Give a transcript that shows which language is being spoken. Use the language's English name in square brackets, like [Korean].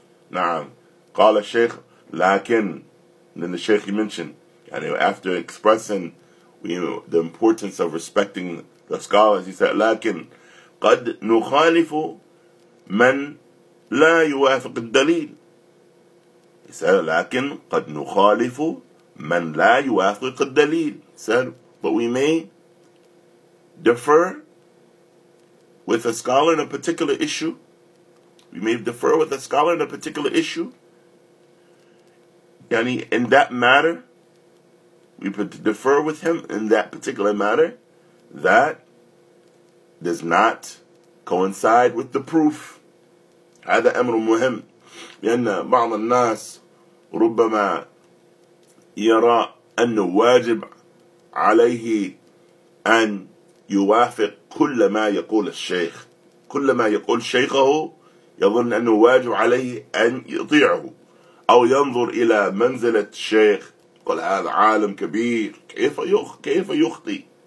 [Arabic] نعم, قال الشيخ, لكن, [English] then the Shaykh mentioned, [Arabic] يعني [English] after expressing, you know, the importance of respecting the scholars, he said, [Arabic] لكن قد نخالف من لا يوافق الدليل. [English] He said, [Arabic] لكن قد نخالف من لا يوافق الدليل. [English] He said, but we may differ with a scholar in a particular issue. We may differ with a scholar in a particular issue. [Arabic] يعني [English] in that matter, we differ with him in that particular matter that does not coincide with the proof. [Arabic] هذا أمر مهم, لأن بعض الناس ربما يرى أن واجب عليه أن يوافق كل ما يقول الشيخ, كل ما يقول شيخه يظن أنه واجب عليه أن يطيعه أو ينظر إلى منزلة الشيخ, قل هذا عالم كبير كيف يخطئ.